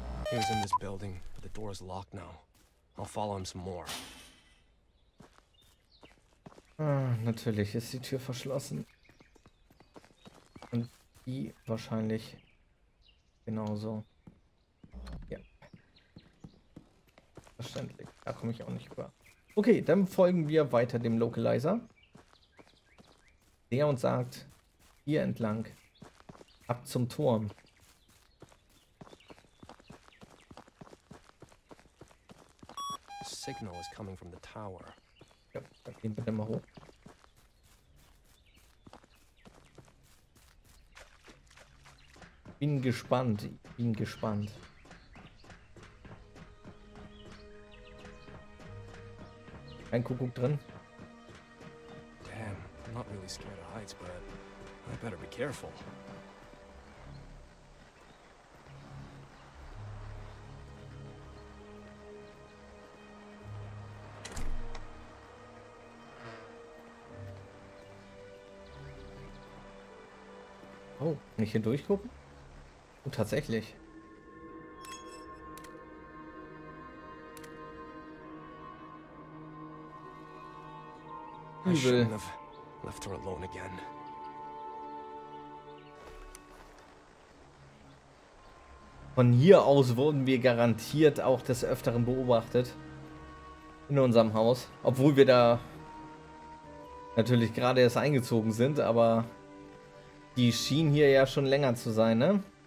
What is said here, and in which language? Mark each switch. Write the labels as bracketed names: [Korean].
[English] He was in this building, but the door is locked now. I'll follow him some more. [German] Ah, natürlich ist die Tür verschlossen. Und die wahrscheinlich genauso. Ja. Verständlich. Da komme ich auch nicht rüber. Okay, dann folgen wir weiter dem Localizer. Der uns sagt, hier entlang, ab zum Turm. [English] Signal is coming from the tower. [German] Ja, da gehen wir dann mal hoch. Bin gespannt, bin gespannt. Kein Kuckuck drin. [English] Damn, I'm not really scared of heights, but I better be careful. [German] Oh, nicht hier durchgucken? Oh, tatsächlich. [English] I shouldn't have left her alone again. [German] Von hier aus wurden wir garantiert auch des Öfteren beobachtet. In unserem Haus. Obwohl wir da natürlich gerade erst eingezogen sind, aber die schien hier ja schon länger zu sein, ne?